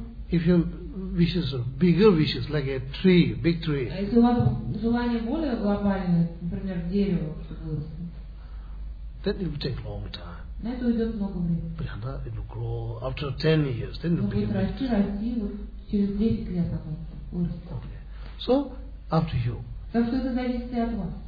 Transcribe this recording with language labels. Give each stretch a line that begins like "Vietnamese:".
English: If your wishes are bigger wishes, like a tree, big tree.
Russian: Если у вас желание более глобальное, например, дерево,
English: then it will take a long time.
Russian: На это уйдет много времени.
English: But it will grow after 10 years. Then it will
Russian: будет расти, расти, вот через 10 лет оно вырастет.
English: Okay. So after you.
Russian: Так что это зависит от вас.